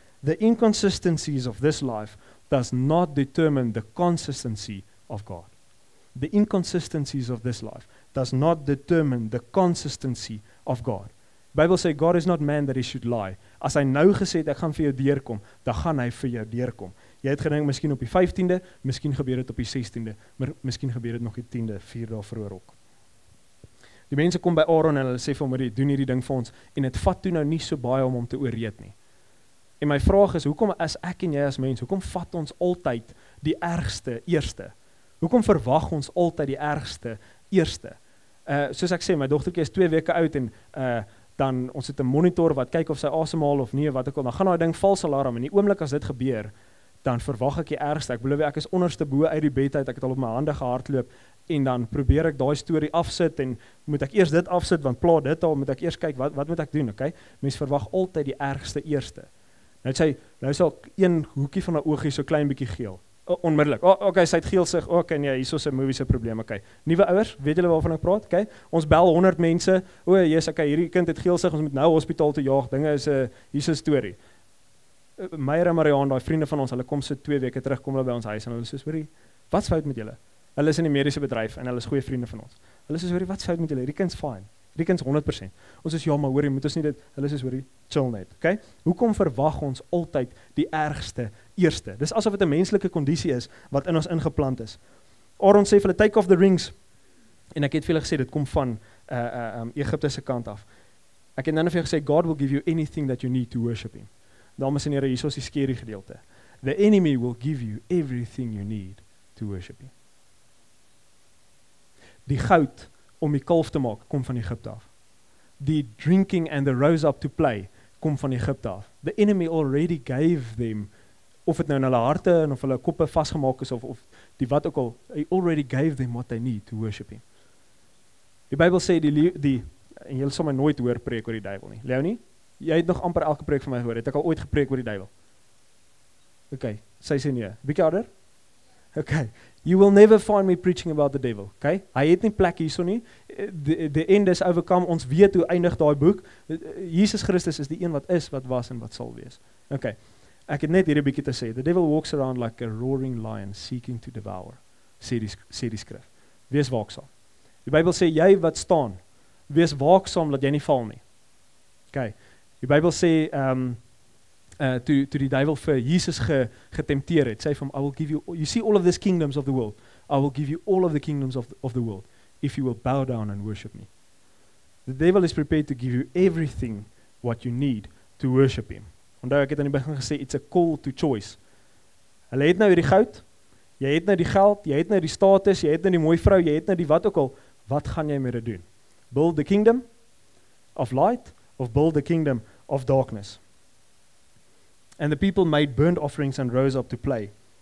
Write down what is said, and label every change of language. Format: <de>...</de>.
<en>The inconsistencies of this life does not determine the consistency of God. The inconsistencies of this life does not determine the consistency of God. Bible sê, God is not man that he should lie.</en> <af>As hy nou gesê het, ek gaan vir jou deurkom, dan gaan hy vir jou deurkom. Jy het gedink, miskien op die 15de, miskien gebeur het op die 16de, maar miskien gebeur het nog die 10de, 4 dae vroeër ook. Die mense kom by Aaron en hulle sê vir hom, hoor, doen hierdie ding vir ons, en het vat toe nou nie so baie om hom te ooreed nie. En my vraag is, hoekom as ek en jy as mens, hoekom vat ons altyd die ergste eerste? Hoekom verwag ons altyd die ergste eerste? Soos ek sê, my dogtertjie is 2 weke oud en dan ons het 'n monitor wat kyk of sy asemhaal of nie, wat ek al, dan gaan hy ding vals alarm, en die oomblik as dit gebeur, dan verwag ek die ergste. Ek beloof jy, ek is onderste bo uit die bed uit, ek het al op my hande gehardloop, en dan probeer ek daai story afsit, en moet ek eers dit afsit, want pla dit al, moet ek eers kyk, wat moet ek doen, okay? Mens verwag altyd die ergste eerste. Nou sal een hoekie van haar oogie so klein bietjie geel, onmiddellik. Oh, okay, sy het geel sig. Okay, nee, hierso is 'n movie se probleem, okay. Nuwe ouers, weet julle waarvan ek praat? Okay. Ons bel 100 mense. O, jy's okay, hierdie kind het geel sig. Ons moet nou hospitaal toe jaag. Dinge is 'n hierso storie. Meyer en Marianne, daai vriende van ons, hulle kom so 2 weke terug, kom hulle by ons huis en hulle sê, "Hoorie, wat's fout met julle?" Hulle is in die mediese bedryf en hulle is goeie vriende van ons. Hulle sê, "Hoorie, wat's fout met julle? Hierdie kind's fine. Hierdie kind's 100%." Ons sê, "Ja, maar hoorie, moet ons nie dit." Hulle sê, "Hoorie, chill net." Okay? Hoekom verwag ons altyd die ergste eerste? Dis asof dit 'n menslike kondisie is wat in ons ingeplant is. Aaron sê vir hulle,</af> <en>"Take off the rings."</en> <af>En ek het vir hulle gesê dit kom van Egipte se kant af. Ek het nou vir gesê,</af> <en>"God will give you anything that you need to worship him."</en> <af>Dames en here, hier is die skerry gedeelte.</af> <en>"The enemy will give you everything you need to worship him."</en> <af>Die goud om die kalf te maak kom van Egipte af. Die</af> <en>drinking and the rose up to play</en> <af>kom van Egipte af.</af> <en>The enemy already gave them,</en> <af>of het nou in hulle harte en of hulle koppe vastgemaak is, of die wat ook al,</af> <en>he already gave them what they need to worship him.</en> <af>Die Bybel sê, en jy sal my nooit hoor preek oor die duivel nie. Leonie, jy het nog amper elke preek van my gehoor, het ek al ooit gepreek oor die duivel? Okay, sy sê nie, bietjie harder?</af> <en>Okay, "You will never find me preaching about the devil."</en> <af>Okay, hy het nie plek hierso nie.</af> <en>The end is overcome,</en> <af>ons weet hoe eindig daai boek. Jesus Christus is die een wat is, wat was en wat sal wees. Okay. Ek het net hierdie bietjie te sê.</af> <en>"The devil walks around like a roaring lion seeking to devour,"</en> <af>sê die skrif. Wees waaksaam. Die Bybel sê, jy wat staan, wees waaksaam dat jy nie val nie.</af> <en>Okay.</en> <af>Die Bybel sê, toe die duivel vir Jesus getempteer het, sê van,</af> <en>"I will give you, you see all of these kingdoms of the world. I will give you all of the kingdoms of the world if you will bow down and worship me." The devil is prepared to give you everything what you need to worship him.</en> <af>Onthou, ek het aan die begin gesê,</af> <en>it's a call to choice.</en> <af>Hulle het nou hierdie goud, jy het nou die geld, jy het nou die status, jy het nou die mooi vrou, jy het nou die wat ook al, wat gaan jy met dit doen?</af> <en>Build the kingdom of light of build the kingdom of darkness. "And the people made burnt offerings and rose up to play."</en>